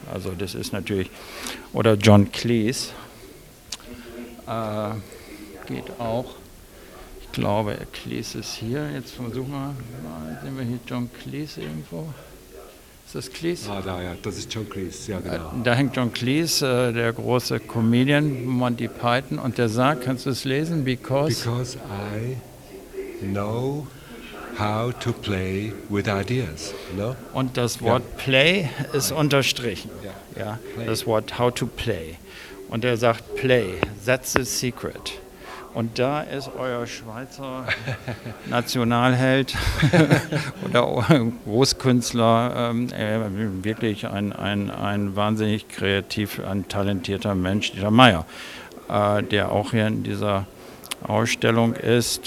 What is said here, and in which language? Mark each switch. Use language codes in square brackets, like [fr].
[de] Also das ist natürlich, oder John Cleese geht auch. Ich glaube, Cleese ist hier. Jetzt versuchen wir, sehen wir hier John Cleese irgendwo? Ist das Cleese? Ah, da, ja, das ist John Cleese, ja, genau. Da hängt John Cleese, der große Comedian, Monty Python, und der sagt, kannst du es lesen? [en] Because I know how to play with ideas, no? [de] Und das Wort ja. Play ist unterstrichen, ja. Ja. Das Wort how to play. Und er sagt, play, that's the secret. Und da ist euer Schweizer Nationalheld oder Großkünstler wirklich ein wahnsinnig kreativ, ein talentierter Mensch, Dieter Meier, der auch hier in dieser Ausstellung ist.